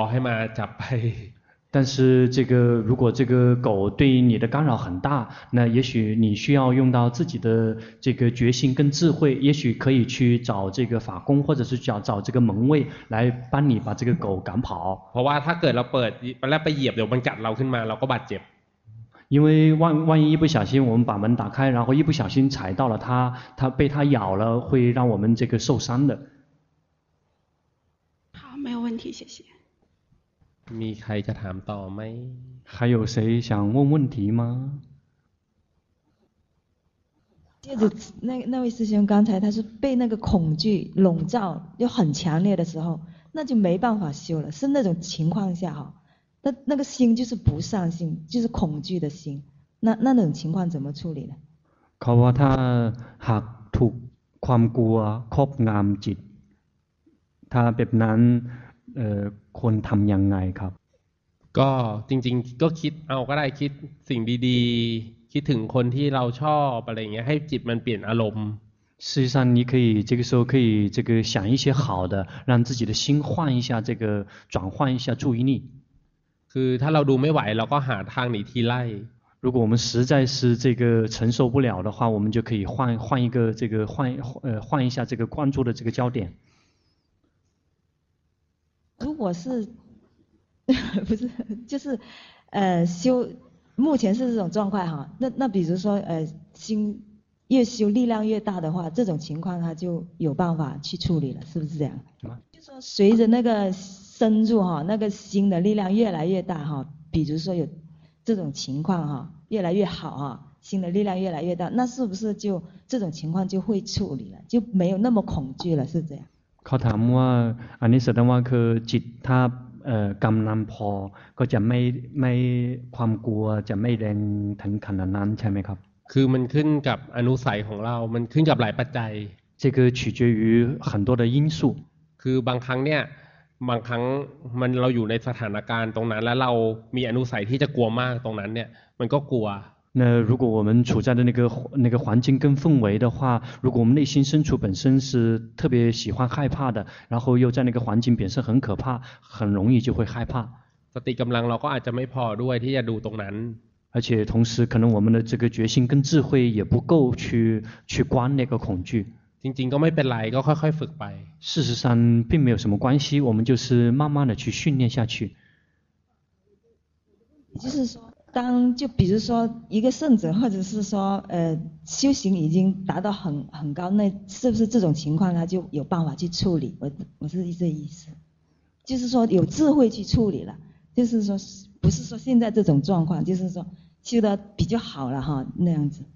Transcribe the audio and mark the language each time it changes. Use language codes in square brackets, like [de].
[th] ให้มาจับไป [zh] 但是这个如果这个狗对你的干扰很大那也许你需要用到自己的这个决心跟智慧也许可以去找这个法工或者是找这个门卫来帮你把这个狗赶跑 [th] เพราะว่าถ้าเกิดเราเปิดมันแล้วไปเหยียบเดี๋ยวมันกัดเราขึ้นมาเราก็บาดเจ็บ [zh] 因为万一一不小心我们把门打开然后一不小心踩到了它被它咬了会让我们这个受伤的好没有问题谢谢 [th] มีใครจะถามต่อไหม [zh] 还有谁想问问题吗接着那位师兄刚才他是被那个恐惧笼罩又很强烈的时候那就没办法修了是那种情况下哈那个心就是不善心就是恐惧的心那种情况怎么处理呢 [th] เขาว่าถ้าหากถูกความกลัวครอบงำจิตถ้าแบบนั้นควรทำยังไงครับ ก็จริงๆก็คิดเอาก็ได้คิดสิ่งดีๆคิดถึงคนที่เราชอบอะไรเงี้ยให้จิตมันเปลี่ยนอารมณ์ [zh] 事实上你可以这个时候可以这个想一些好的让自己的心换一下这个转换一下注意力 [th] คือถ้าเราดูไม่ไหวเราก็หาทางหนีทีไล่ [zh] 如果我们实在是这个承受不了的话我们就可以换一个这个换一下这个关注的这个焦点如果是不是就是修目前是这种状况哈那比如说心越修力量越大的话这种情况他就有办法去处理了是不是这样就说随着那个深入哈那个心的力量越来越大哈比如说有这种情况哈越来越好哈心的力量越来越大那是不是就这种情况就会处理了就没有那么恐惧了是这样 [th] เขาถามว่าอันนี้แสดงว่าคือจิตถ้ากำลังพอก็จะไม่ความกลัวจะไม่แรงถึงขนาดนั้นใช่ไหมครับ คือมันขึ้นกับอนุสัยของเรามันขึ้นกับหลายปัจจัย [zh] 这个取决于很多的因素 [th] คือบางครั้งเนี่ยบางครั้งมันเราอยู่ในสถานการณ์ตรงนั้นแล้วเรามีอนุสัยที่จะกลัวมากตรงนั้นเนี่ยมันก็กลัว [zh] 那如果我们处在的那个环境跟氛围的话，如果我们内心深处本身是特别喜欢害怕的，然后又在那个环境本身很可怕，很容易就会害怕。 [th] สติกำลังเราก็อาจจะไม่พอด้วยที่จะดูตรงนั้น。 [zh] 而且同时，可能我们的这个决心跟智慧也不够去观那个恐惧。 [th] จริงๆก็ไม่เป็นไรก็ค่อยๆฝึกไป。 [zh] 事实上并没有什么关系，我们就是慢慢的去训练下去。就是说。当就比如说一个圣者或者是说修行已经达到很高那是不是这种情况他就有办法去处理我是这意思就是说有智慧去处理了就是说不是说现在这种状况就是说修得比较好了哈那样子